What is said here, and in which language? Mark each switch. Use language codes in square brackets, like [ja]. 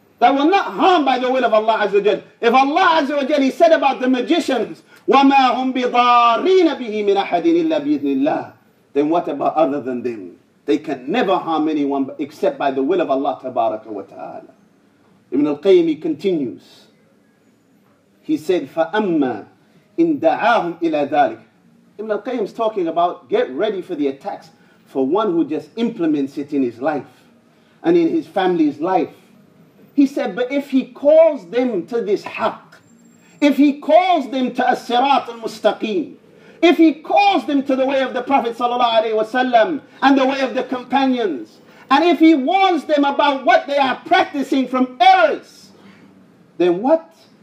[en] That will not harm by the will of Allah Azza wa Jal. If Allah Azza wa Jal, he said about the magicians, [ar] وَمَا هُمْ بِضَارِينَ بِهِ مِنْ أَحَدٍ إِلَّا بِإِذْنِ اللَّهِ, [en] then what about other than them? They can never harm anyone except by the will of Allah Tabaraka wa Ta'ala. Ibn al-Qayyim continues. He said, [ar] فَأَمَّا إِنْ دَعَاهُمْ إِلَى ذَلِكَ. [en] Ibn al-Qayyim is talking about, get ready for the attacks for one who just implements it in his life and in his family's life. He said, but if he calls them to this haqq, if he calls them to as-sirat al-mustaqim, if he calls them to the way of the Prophet sallallahu alaihi wasallam and the way of the companions, and if he warns them about what they are practicing from errors, then what?